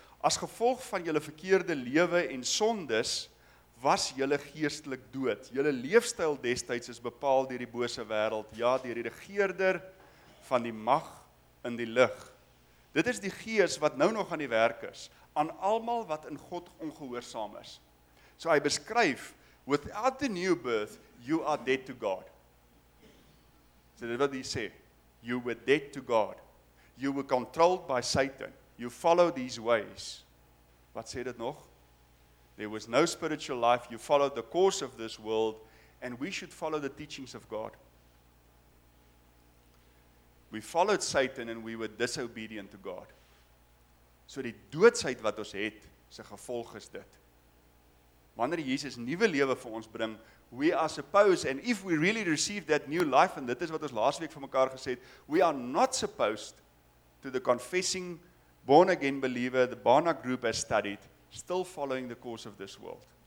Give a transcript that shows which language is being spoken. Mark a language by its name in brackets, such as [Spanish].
[Afrikaans] As gevolg van julle verkeerde lewe en sondes, was julle geestelik dood. Julle leefstyl destyds is bepaal deur die bose wêreld, ja, deur die regeerder van die mag in die lig. Dit is die gees wat nou nog aan die werk is, aan almal wat in God ongehoorsaam is. So hy beskryf, [English] without the new birth, you are dead to God. [Afrikaans] So dit wat hy sê, [English] you were dead to God. You were controlled by Satan. You followed his ways. [Afrikaans] Wat sê dit nog? [English] There was no spiritual life. You followed the course of this world. And we should follow the teachings of God. We followed Satan and we were disobedient to God. [Afrikaans] So die doodsheid wat ons het, sy gevolg is dit. Wanneer Jesus nuwe lewe vir ons bring, [English] we are supposed, and if we really receive that new life, and [Afrikaans] dit is wat ons laas week vir mekaar gesê het, [English] we are not supposed to the confessing born again believer, the Barna group has studied, still following the course of this world.